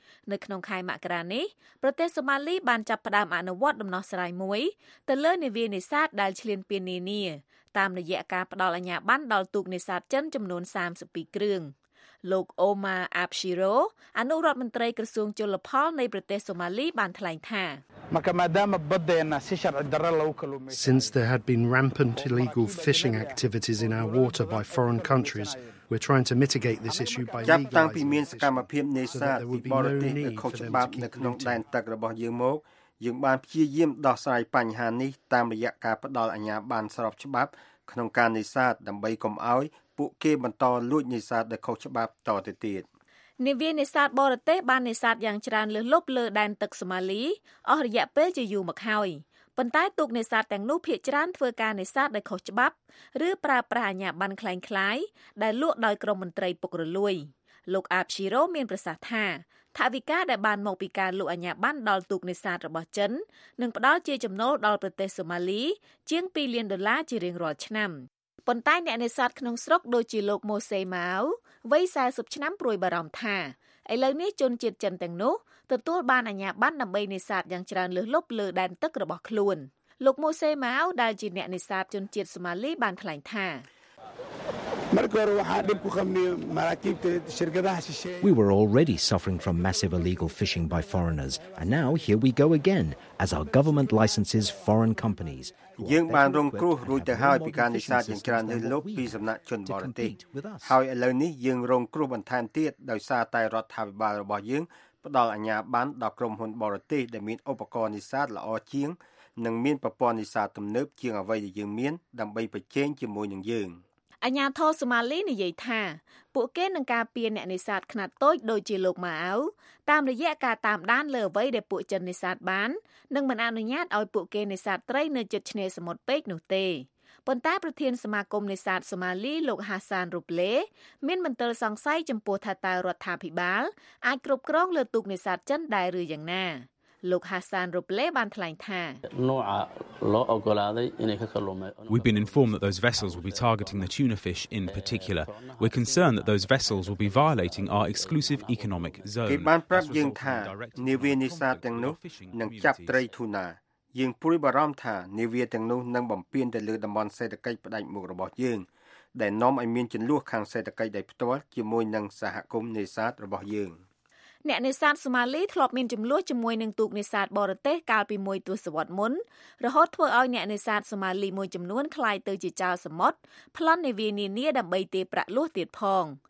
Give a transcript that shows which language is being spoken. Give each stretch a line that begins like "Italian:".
Khmer: នៅក្នុងខែមករានេះប្រទេសសូម៉ាលីបានចាប់ផ្ដើមអនុវត្តដំណោះស្រាយមួយទៅលើនាវានេសាទដែលឈ្លានពាននានាតាមរយៈការផ្ដល់អាជ្ញាប័ណ្ណដល់ទូកនេសាទចិនចំនួន32គ្រឿងលោកអូម៉ាអាប់ស៊ីរ៉ូអនុរដ្ឋមន្ត្រីក្រសួងជលផលនៃប្រទេសសូម៉ាលីបានថ្លែងថា
English: Since there had been rampant illegal fishing activities in our water by foreign countries, we're trying to mitigate this issue by legalizing.
Khmer: ចាប់តាំងពីមានសកម្មភាពនេសាទបរទេសនៅខុសច្បាប់នៅក្នុងដែនទឹករបស់យើងមកយើងបានព្យាយាមដោះស្រាយបញ្ហានេះតាមរយៈការផ្តល់អាជ្ញាប័ណ្ណស្របច្បាប់ក្នុងការនេសាទដើម្បីកុំឲ្យពួកគេបន្តលួចនេសាទដែលខុសច្បាប់តទៅទៀត នាវានេសាទបរទេសបាននេសាទយ៉ាងច្រើនលើសលប់លើដែនទឹកសូម៉ាលីអស់រយៈពេលជាយូរមកហើយប៉ុន្តែទូកនេសាទទាំងនោះភាគច្រើនធ្វើការនេសាទដោយខុសច្បាប់ឬប្រើប្រាស់អាជ្ញាប័ណ្ណក្លែងក្លាយដែលលក់ដោយក្រុមមន្ត្រីពុករលួយ លោកអាប់ឈីរ៉ូមានប្រសាសន៍ថាថាវិការដែលបានមកពីការលក់អាជ្ញាប័ណ្ណដល់ទូកនេសាទរបស់ចិននឹងផ្ដល់ជាចំណូលដល់ប្រទេសសូម៉ាលីជាង2លានដុល្លារជារៀងរាល់ឆ្នាំប៉ុន្តែអ្នកនេសាទក្នុងស្រុកដូចជាលោកម៉ូសេម៉ាវវ័យ40ឆ្នាំព្រួយបារម្ភថាឥឡូវនេះជនជាតិចិនទាំងនោះទទួលបានអាជ្ញាប័ណ្ណដើម្បីនេសាទយ៉ាងច្រើនលើសលប់លើដែនទឹករបស់ខ្លួនលោកម៉ូសេម៉ាវដែលជាអ្នកនេសាទជនជាតិសូម៉ាលីបានថ្លែងថា
English: We were already suffering from massive illegal fishing by foreigners and now here we go again as our government licenses foreign companies
Khmer: យើងបានរងគ្រោះរួចទៅហើយពីការនេសាទយ៉ាងច្រើនលើសលប់ពីសំណាក់ជនបរទេសហើយឥឡូវនេះយើងរងគ្រោះបន្ថែមទៀតដោយសារតែរដ្ឋាភិបាលរបស់យើងផ្ដល់អាជ្ញាប័ណ្ណដល់ក្រុមហ៊ុនបរទេសដែលមានឧបករណ៍នេសាទល្អជាងនិងមានប្រព័ន្ធនេសាទទំនើបជាងអ្វីដែលយើងមានដើម្បីប្រជែងជាមួយនឹងយើង អាជ្ញាធរសូម៉ាលីនិយាយថាពួកគេនឹងការពារអ្នកនេសាទខ្នាតតូចដូចជាលោកម៉ាអៅតាមរយៈការតាមដានលើអ្វីដែលពួកចិននេសាទបាននិងមិនអនុញ្ញាតឲ្យពួកគេនេសាទត្រីនៅជិតឆ្នេរសមុទ្រពេកនោះទេប៉ុន្តែប្រធានសមាគមនេសាទសូម៉ាលីលោកហាសានរូបឡេមានមន្ទិលសង្ស័យចំពោះថាតើរដ្ឋាភិបាលអាចគ្រប់គ្រងលើទូកនេសាទចិនដែរឬយ៉ាងណាលោកហាសានរូបឡេបានថ្លែងថា
English: We've been informed that those vessels will be targeting the tuna fish in particular. We're concerned that those vessels will be violating our exclusive economic zone.
Khmer: គេបានប្រាប់យើងថានាវានេសាទទាំងនោះនឹងចាប់ត្រីទូណាយើងព្រួយបារម្ភថានាវាទាំងនោះនឹងបំពានទៅលើតំបន់សេដ្ឋកិច្ចផ្ដាច់មុខរបស់យើងដែលនាំឲ្យមានចំនួនខាងសេដ្ឋកិច្ចដែលផ្ទាល់ជាមួយនឹងសហគមន៍នេសាទរបស់យើង អ្នកនេសាទសូម៉ាលីធ្លាប់មានចំនួនជាមួយនឹងទូកនេសាទបរទេសកាលពីមួយទសវត្សរ៍មុនរហូតធ្វើឲ្យអ្នកនេសាទសូម៉ាលីមួយចំនួនខ្លាចទៅជាចោរសមុទ្រប្លន់នាវានានាដើម្បីទារប្រាក់លួចទៀតផង